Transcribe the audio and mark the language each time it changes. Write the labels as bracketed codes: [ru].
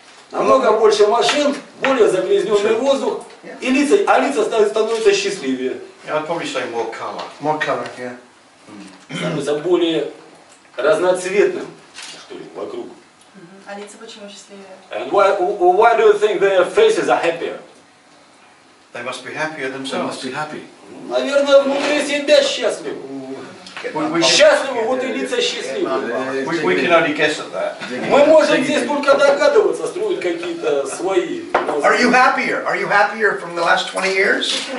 [ru] Намного больше машин, более загрязненный воздух. И лица, а лица становятся счастливее. [en] Yeah, I'd probably say more color. More color, yeah. [ru] Становится более разноцветным, что ли, вокруг. А лица почему счастливее? [en] And why do you think their faces are happier? They must be happier themselves. They must be happy. [ru] Наверное, внутри себя счастливы. Счастливы, вот и лица счастливы. [en] We can only guess at that. [ru] Мы можем здесь только догадываться, строить какие-то свои. [en] All Are you happier? Are you happier from the last 20 years?